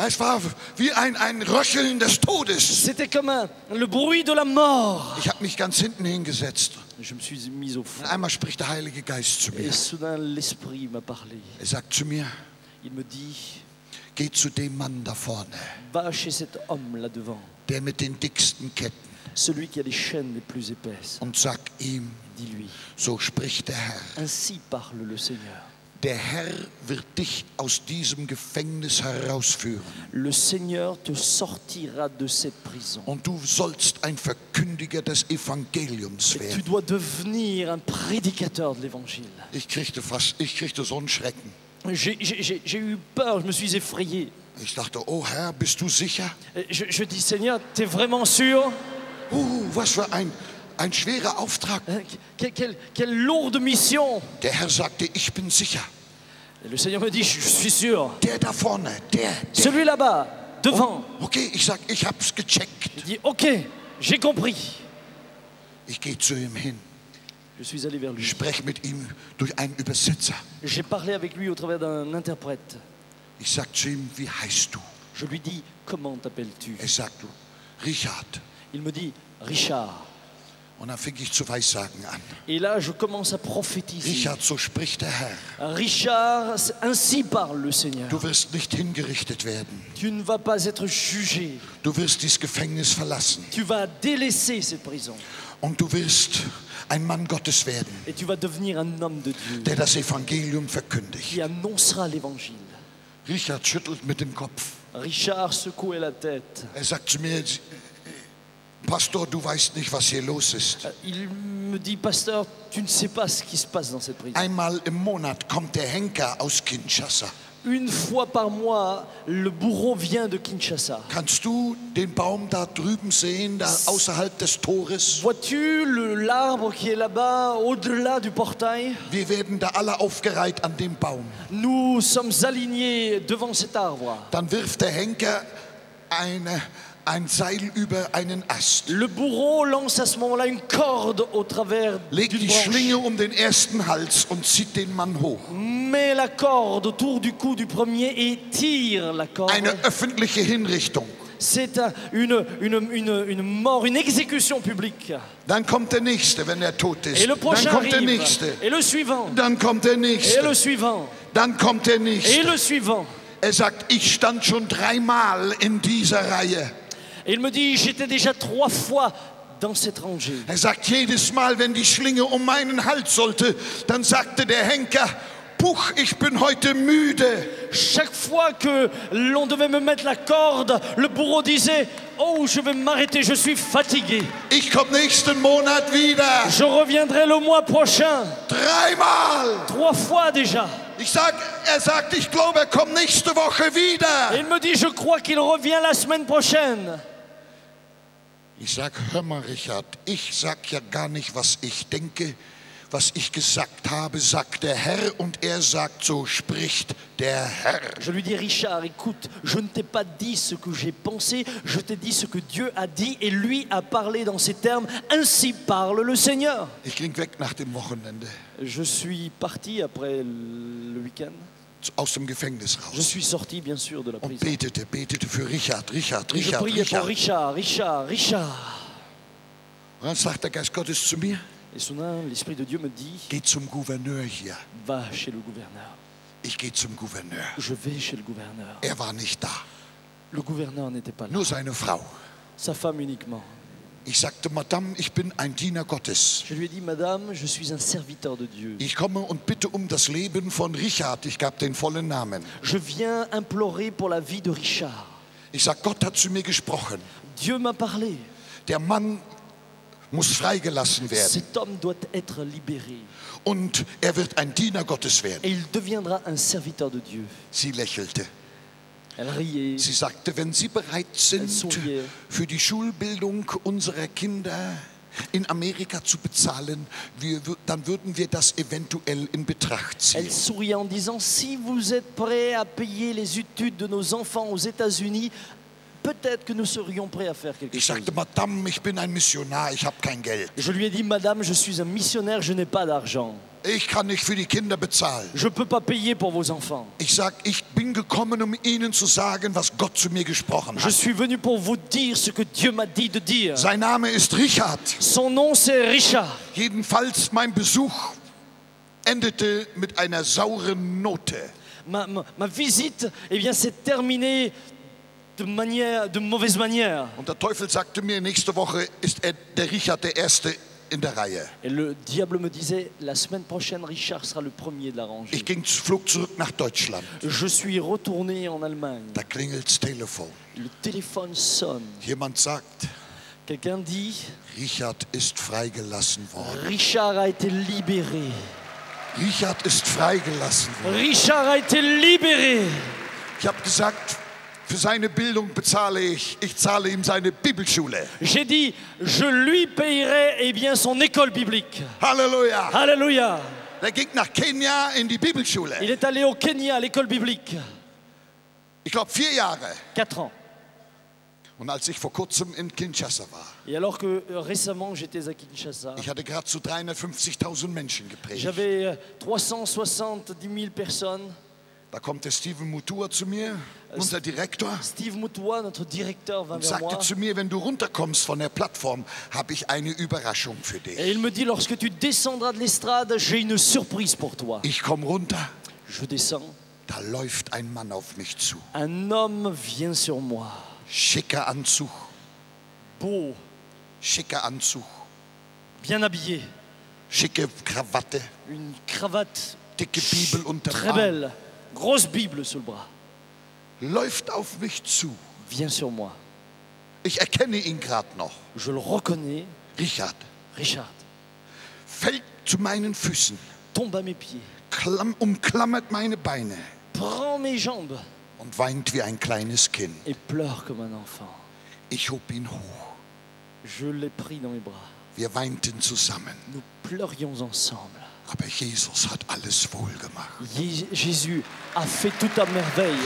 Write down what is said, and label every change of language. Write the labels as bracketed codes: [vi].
[de] Es war wie ein Röcheln des Todes. [fr] C'était comme le bruit de la mort. [de] Ich habe mich ganz hinten hingesetzt. [fr] Je me suis mis au fond. [de] Und einmal spricht der Heilige Geist zu mir. [fr] Et soudain l'esprit m'a parlé. [de] Er sagt zu mir, [fr] il me dit, [de] geh zu dem Mann da vorne. [fr] Va chez cet homme là devant. [de] Der mit den dicksten Ketten. [fr] Celui qui a les chaînes les plus épaisses. [de] Und sag ihm, [fr] dis-lui, [de] so spricht der Herr. [fr] Ainsi parle le Seigneur. [de] Der Herr wird dich aus diesem Gefängnis herausführen. [fr] Le Seigneur te sortira de cette prison. [de] Und du sollst ein Verkündiger des Evangeliums werden. [fr] Et tu dois devenir un prédicateur de l'Évangile. [de] Ich kriegte so einen Schrecken. [fr] J'ai eu peur, je me suis effrayé. [de] Ich dachte, oh Herr, bist du sicher? [fr] Je dis, Seigneur, t'es vraiment sûr? [de] Was für ein schwerer Auftrag. [fr] Quelle lourde mission. [de] Der Herr sagte, ich bin sicher. [fr] Le Seigneur me dit, je suis sûr. [de] Der da vorne, der. [fr] Celui là-bas, devant. [de] Oh, okay, ich sag, ich hab's gecheckt. [fr] Il dit, ok, j'ai compris. [de] Ich gehe zu ihm hin. [fr] Je suis allé vers lui. [de] Ich spreche mit ihm durch einen Übersetzer. [fr] J'ai parlé avec lui au travers d'un interprète. [de] Ich sag zu ihm, wie heißt du? [fr] Je lui dis, comment t'appelles-tu? [de] Er sagt, Richard. [fr] Il me dit, Richard. [de] Und dann fing ich zu Weissagen an. [fr] Et là, je commence à prophétiser. [de] Richard, so spricht der Herr. [fr] Richard, ainsi parle le Seigneur. [de] Du wirst nicht hingerichtet werden. [fr] Tu ne vas pas être jugé. [de] Du wirst dieses Gefängnis verlassen. [fr] Tu vas délaisser cette prison. [de] Und du wirst ein Mann Gottes werden. [fr] Et tu vas devenir un homme de Dieu. [de] Der das Evangelium verkündigt. [fr] Qui annoncera l'Évangile. [de] Richard schüttelt mit dem Kopf. [fr] Richard secoue la tête. [de] Er sagt zu mir, Pastor, du weißt nicht, was hier los ist. [fr] Il me dit, Pasteur, tu ne sais pas ce qui se passe dans cette prison. [de] Einmal im Monat kommt der Henker aus Kinshasa. [fr] Une fois par mois, le bourreau vient de Kinshasa. [de] Kannst du den Baum da drüben sehen, da außerhalb des Tores? [fr] Vois-tu l'arbre qui est là-bas, au-delà du portail? [de] Wir werden da alle aufgereiht an dem Baum. [fr] Nous sommes alignés devant cet arbre. [de] Dann wirft der Henker ein Seil über einen Ast. [fr] Le bourreau lance à ce moment-là une corde au travers d'une branche. [de] Legt die Schlinge um den ersten Hals und zieht den Mann hoch. [fr] Met la corde autour du cou du premier et tire la corde. [de] Eine öffentliche Hinrichtung. [fr] C'est une mort, une exécution publique. [de] Dann kommt der nächste, wenn er tot ist. [fr] Et le prochain [de] dann kommt [fr] arrive. [de] Der nächste. [fr] Et le suivant. [de] Dann kommt der nächste. [fr] Et le suivant. [de] Dann kommt der nächste. [fr] Et le suivant. [de] Er sagt, ich stand schon dreimal in dieser Reihe. [fr] Il me dit, j'étais déjà trois fois dans cette rangée. [de] Er sagt, jedes Mal, wenn die Schlinge um meinen Hals sollte, dann sagte der Henker, puch, ich bin heute müde. [fr] Chaque fois que l'on devait me mettre la corde, le bourreau disait, oh, je vais m'arrêter, je suis fatigué. [de] Ich komme nächsten Monat wieder. [fr] Je reviendrai le mois prochain. [de] Dreimal. [fr] Trois fois déjà. [de] Er sagt, ich glaube, er kommt nächste Woche wieder. [fr] Il me dit, je crois qu'il revient la semaine prochaine. [de] Ich sag, hör mal, Richard, ich sag ja gar nicht, was ich denke. Was ich gesagt habe, sagt der Herr, und er sagt, so spricht der Herr. [fr] Je lui dis, Richard, écoute, je ne t'ai pas dit ce que j'ai pensé, je t'ai dit ce que Dieu a dit, et lui a parlé dans ces termes, ainsi parle le Seigneur. [de] Ich ging weg nach dem Wochenende. [fr] Je suis parti après le week-end. [de] Aus dem Gefängnis raus. [fr] Je suis sorti, bien sûr, de la prison. [de] Und betete für Richard, Richard, Richard, [fr] je Richard. Je priais pour Richard, Richard, Richard. [de] Was sagt der Geist Gottes zu mir? [fr] Et soudain, l'Esprit de Dieu me dit, [de] geh zum Gouverneur hier. [fr] Va chez le gouverneur. [de] Ich gehe zum Gouverneur. [fr] Je vais chez le gouverneur. [de] Er war nicht da. [fr] Le gouverneur n'était pas là. [de] Nur seine Frau. [fr] Sa femme uniquement. [de] Ich sagte, Madame, ich bin ein Diener Gottes. [fr] Je lui ai dit, Madame, je suis un serviteur de Dieu. [de] Ich komme und bitte um das Leben von Richard. Ich gab den vollen Namen. [fr] Je viens implorer pour la vie de Richard. [de] Ich sag, Gott hat zu mir gesprochen. [fr] Dieu m'a parlé. [de] Der Mann muss freigelassen werden. [fr] Cet homme doit être libéré. [de] Und er wird ein Diener Gottes werden. [fr] Et il deviendra un serviteur de Dieu. [de] Sie lächelte. [fr] Elle riait. [de] Sie sagte, wenn Sie bereit sind, für die Schulbildung unserer Kinder in Amerika zu bezahlen, dann würden wir das eventuell in Betracht ziehen. [fr] Elle souriait en disant, si vous êtes prêt à payer les études de nos enfants aux États-Unis, peut-être que nous serions prêts à faire quelque chose. [de] Ich sagte, Madame, ich bin ein Missionar, ich habe kein Geld. [fr] Je lui ai dit, Madame, je suis un missionnaire, je n'ai pas d'argent. [de] Ich kann nicht für die Kinder bezahlen. [fr] Je peux pas payer pour vos enfants. [de] Ich sag, ich bin gekommen, um ihnen zu sagen, was Gott zu mir gesprochen hat. [fr] Je suis venu pour vous dire ce que Dieu m'a dit de dire. [de] Sein Name ist Richard. [fr] Son nom c'est Richard. [de] Jedenfalls mein Besuch endete mit einer sauren Note. [fr] Ma visite, eh bien, s'est terminée de mauvaise manière. [de] Und der Teufel sagte mir, nächste Woche ist der Richard der Erste. In der Reihe. [fr] Et le diable me disait, la semaine prochaine, Richard sera le premier de la rangée. [de] Ich ging flog zurück nach Deutschland. [fr] Je suis retourné en Allemagne. [de] Da klingelt das Telefon. [fr] Le téléphone sonne. [de] Jemand sagt, [fr] quelqu'un dit, [de] Richard ist freigelassen worden. [fr] Richard a été libéré. [de] Richard ist freigelassen worden. [fr] Richard a été libéré. [de] Ich habe gesagt, für seine Bildung bezahle ich zahle ihm seine Bibelschule. [fr] J'ai dit, je lui payerai, eh bien, son école biblique. [de] Halleluja. [fr] Halleluja. [de] Er ging nach Kenia in die Bibelschule. [fr] Il est allé au Kenya à l'école biblique. [de] Ich glaube, 4 Jahre. [fr] 4 ans. [de] Und als ich vor kurzem in Kinshasa war. [fr] Et alors que récemment j'étais à Kinshasa. [de] Ich hatte gerade zu 350.000 Menschen gepredigt. [fr] J'avais 370.000 personnes. [de] Da kommt der Steven Mutua zu mir, unser Direktor. [fr] Steve Mutua, notre directeur, [de] und sagte zu mir, wenn du runterkommst von der Plattform, habe ich eine Überraschung für dich. [fr] Et il me dit, lorsque tu descendras de l'estrade, j'ai une surprise pour toi. [de] Ich komme runter. [fr] Je descends. [de] Da läuft ein Mann auf mich zu. [fr] Un homme vient sur moi. [de] Schicker Anzug. [fr] Beau. [de] Schicker Anzug. [fr] Bien habillé. [de] Schicke Krawatte. [fr] Une cravate. [de] Dicke Bibel unter dem Arm. [fr] Très belle. Grosse Bible sur le bras. [de] Läuft auf mich zu. [fr] Viens sur moi. [de] Ich erkenne ihn gerade noch. [fr] Je le reconnais. [de] Richard. [fr] Richard. [de] Fällt zu meinen Füßen. [fr] Tombe à mes pieds. [de] Umklammert meine Beine. [fr] Prend mes jambes. [de] Und weint wie ein kleines Kind. [fr] Et pleure comme un enfant. [de] Ich hob ihn hoch. [fr] Je l'ai pris dans mes bras. [de] Wir weinten zusammen. [fr] Nous pleurions ensemble. [de] Aber Jesus hat alles wohl gemacht. [fr] Jésus a fait tout à merveille.